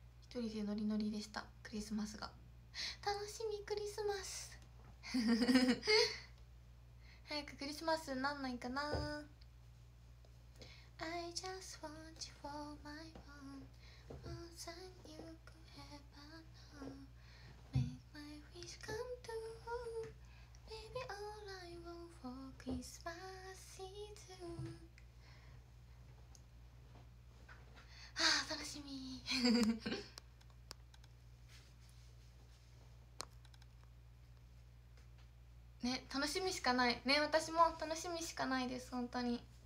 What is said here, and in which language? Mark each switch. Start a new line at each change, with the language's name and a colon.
Japanese: 人でノリノリでした。クリスマスが楽しみ、クリスマス早くクリスマスなんないかな。
English: I just want you for my own more than you could ever know make my wish come true baby all I want for Christmas is you。
Japanese: あー楽しみね、楽しみしかないね。私も楽しみしかないです本当に。